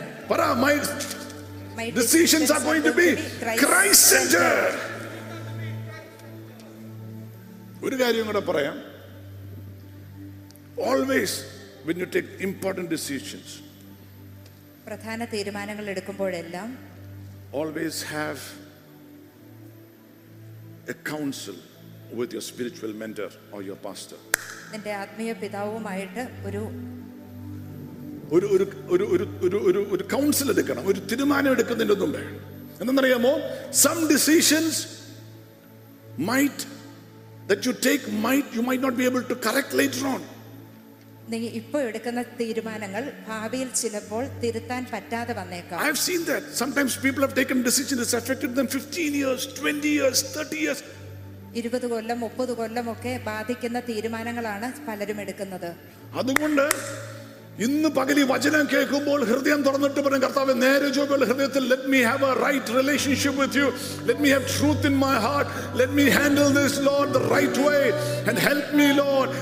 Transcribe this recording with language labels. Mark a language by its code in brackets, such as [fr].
[ml] പറ, [en] My decisions are going to be Christ centred. [ml] ഒരു കാര്യം കൂടെ പറയാം. [en] always when you take important decisions, [ml] പ്രധാന തീരുമാനങ്ങൾ എടുക്കുമ്പോഴെല്ലാം, [en] always have a counsel with your spiritual mentor or your pastor. [ml] നിന്റെ ആത്മീയ പിതാവുമായിട്ട് ഒരു ഒരു ഒരു ഒരു ഒരു ഒരു കൗൺസിൽ എടുക്കണം. ഒരു തീരുമാനം എടുക്കുന്നതിന് മുമ്പ് എന്താണെന്നറിയാമോ, [en] some decisions might that you take might you might not be able to correct later on. [ml] നിങ്ങൾ ഇപ്പോൾ എടുക്കുന്ന തീരുമാനങ്ങൾ ഭാവിയിൽ ചിലപ്പോൾ തിരുത്താൻ പറ്റാതെ വന്നേക്കാം. [en] I have seen that sometimes people have taken decisions that affected them 15 years 20 years 30 years [ml] 20 കൊല്ലം 30 കൊല്ലം ഒക്കെ ബാധിക്കുന്ന തീരുമാനങ്ങളാണ് പലരും എടുക്കുന്നത്. അതുകൊണ്ട് ഇന്ന് പകലി വചനം കേൾക്കുമ്പോൾ ഹൃദയം തുറന്നിട്ട് പറയും, കർത്താവേ നേരെ ചൊവ്വ ഹൃദയത്തിൽ [en] let me have a right relationship with you, let me have truth in my heart, let me handle this Lord the right way and help me Lord.